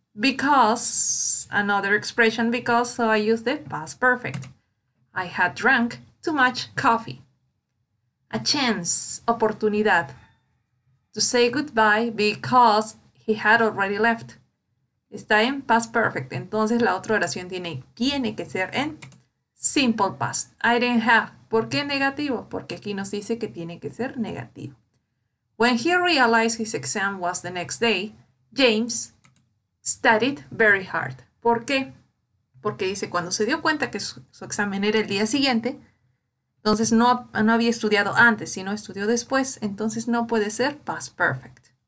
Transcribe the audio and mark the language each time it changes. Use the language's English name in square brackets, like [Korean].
[English] Because, another expression because, so I used the past perfect. I had drunk too much coffee. A chance, oportunidad. To say goodbye because he had already left. [Spanish] Está en past perfect. Entonces la otra oración tiene que ser en simple past. [English] I didn't have. [Spanish] ¿Por qué negativo? Porque aquí nos dice que tiene que ser negativo. [English] When he realized his exam was the next day, James studied very hard. [Spanish] ¿Por qué? Porque dice, cuando se dio cuenta que su examen era el día siguiente, entonces no había estudiado antes, sino estudió después, entonces no puede ser past perfect.